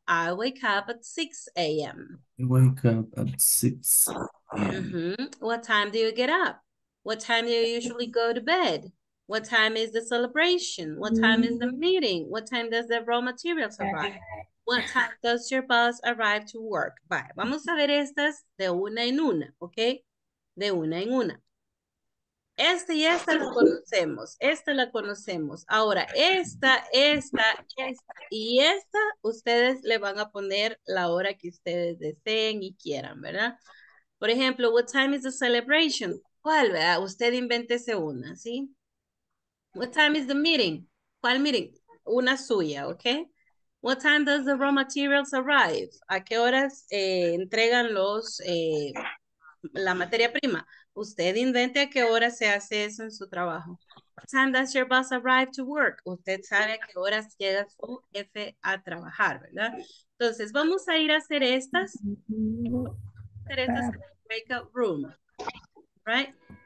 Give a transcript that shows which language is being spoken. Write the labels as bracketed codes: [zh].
[en] I wake up at 6 a.m. I wake up at 6 a.m. Mm-hmm. What time do you get up? What time do you usually go to bed? What time is the celebration? What time is the meeting? What time does the raw materials arrive? What time does your bus arrive to work? Bye. [es] Vamos a ver estas de una en una, ¿ok? De una en una. Esta y esta la conocemos. Esta la conocemos. Ahora, esta, esta, esta y esta, ustedes le van a poner la hora que ustedes deseen y quieran, ¿verdad? Por ejemplo, what time is the celebration? ¿Cuál, verdad? Usted invéntese una, ¿sí? What time is the meeting? ¿Cuál meeting? Una suya, ¿ok? [en] What time does the raw materials arrive? [es] ¿A qué horas entregan los la materia prima? Usted invente a qué hora se hace eso en su trabajo. [en] What time does your bus arrive to work? [es] Usted sabe a qué horas llega su jefe a trabajar, ¿verdad? Entonces, vamos a ir a hacer estas. Vamos a hacer estas en el breakout room. [en] Right?